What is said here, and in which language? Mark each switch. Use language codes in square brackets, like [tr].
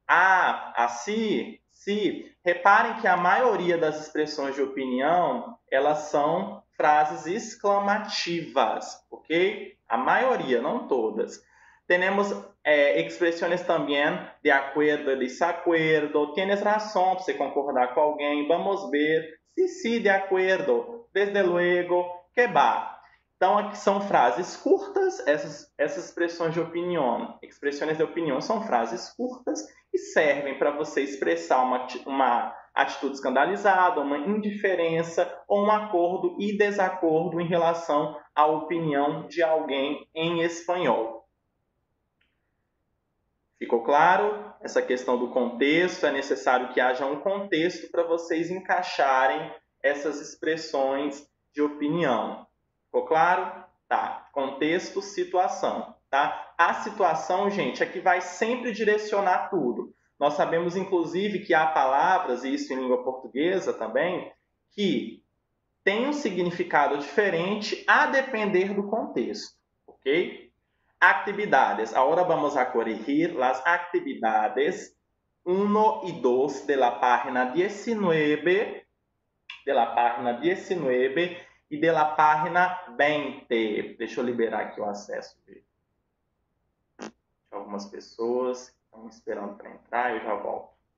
[pt] Ah, assim. Se reparem que a maioria das expressões de opinião, elas são frases exclamativas, ok? A maioria, não todas. Temos expressões também de acordo, [es] de desacuerdo. Tienes razón, [pt] se concordar com alguém, vamos ver. [es] Sí, de acuerdo, desde luego, que va. [pt] Então, aqui são frases curtas, essas expressões de opinião. Expressões de opinião são frases curtas e servem para você expressar uma atitude escandalizada, uma indiferença ou um acordo e desacordo em relação à opinião de alguém em espanhol. Ficou claro? Essa questão do contexto, é necessário que haja um contexto para vocês encaixarem essas expressões de opinião. Ficou claro? Tá. Contexto, situação. Tá? A situação, gente, é que vai sempre direcionar tudo. Nós sabemos, inclusive, que há palavras, e isso em língua portuguesa também, que têm um significado diferente a depender do contexto, ok? [es] Actividades. Agora vamos a corrigir las actividades 1 e 2 de la página 19, de la página 19 e de la página 20. [pt] Deixa eu liberar aqui o acesso de algumas pessoas. Estão esperando para entrar, eu já volto.